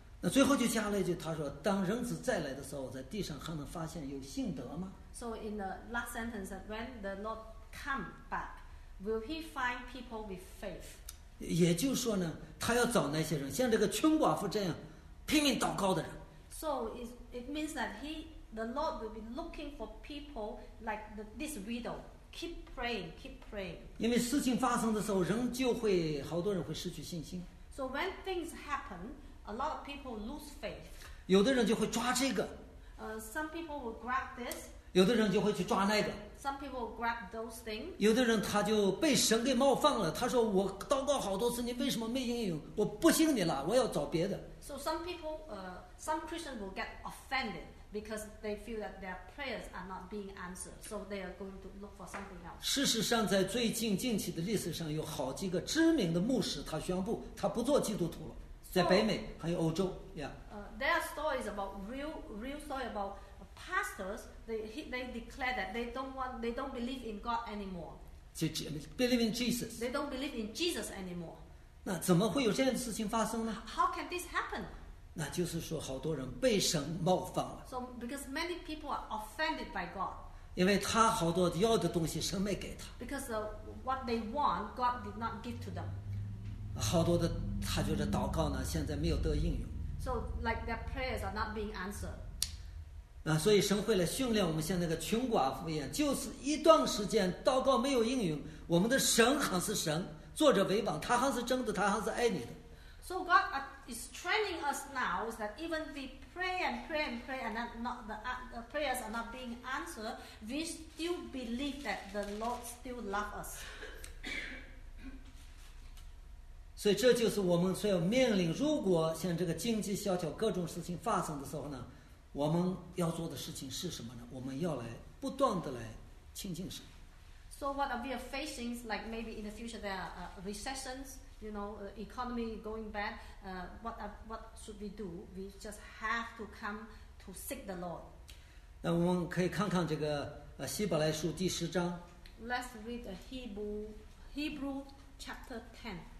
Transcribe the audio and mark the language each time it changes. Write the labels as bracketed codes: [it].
[zh] 那最后就加了一句，他说：“当人子再来的时候，在地上还能发现有信德吗 [en] ？”So in the last sentence, when the Lord come back, will he find people with faith? [zh] 也就是说呢，他要找那些人，像这个穷寡妇这样拼命祷告的人。 [en] So it means that he the Lord will be looking for people like the, this widow. Keep praying, keep praying. [zh] 因为事情发生的时候，仍旧会好多人会失去信心。 [en] So when things happen, a lot of people lose faith. [zh] 有的人就会抓这个。 [en] Some people will grab this. [zh] 有的人就会去抓那个。 [en] Some people grab those things. [zh] 有的人他就被神给冒犯了，他说我祷告好多次，你为什么没应允？我不信你了，我要找别的。 [en] So some people, some Christians will get offended because they feel that their prayers are not being answered, so they are going to look for something else. [zh] 事实上，在最近近期的历史上，有好几个知名的牧师，他宣布他不做基督徒了，在北美还有欧洲 ，Yeah. [en] There are stories about real story about pastors. They declare that they don't believe in God anymore. Believe in Jesus. They don't believe in Jesus anymore. [zh] 那怎么会有这样的事情发生呢 [en] ？How can this happen？ [zh] 那就是说，好多人被神冒犯了。 [en] So because many people are offended by God。 [zh] 因为他好多要的东西神没给他。 [en] Because of what they want, God did not give to them。 [zh] 好多的他觉得祷告呢，现在没有得应允。 [en] So like their prayers are not being answered。 [zh] 那所以神会来训练我们，像那个穷寡妇一样，就是一段时间祷告没有应允，我们的神还是神。坐着为榜，他还是真的，他还是爱你的。 [en] So God is training us now is that even we pray and pray and pray and not the prayers are not being answered, we still believe that the Lord still loves us. [zh] 所以这就是我们所要面临，如果像这个经济萧条各种事情发生的时候呢，我们要做的事情是什么呢？我们要来不断的来亲近神。 [en] So what are we facing, like maybe in the future there are recessions, you know, economy going bad, what should we do? We just have to come to seek the Lord. [zh] 那我们可以看看这个希伯来书第十章。 [en] Let's read Hebrew chapter 10.